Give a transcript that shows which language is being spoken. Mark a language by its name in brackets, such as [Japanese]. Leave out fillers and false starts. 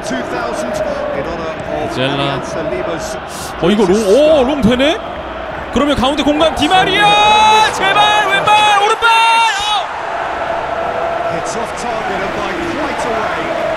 [English] That's what the venue has been called since 2000 in honor of Zella. [Korean] 이거 롱 되네? 그러면 가운데 공간 디마리아! 제발 왼발 오른발! [English] It's off target and by quite a way.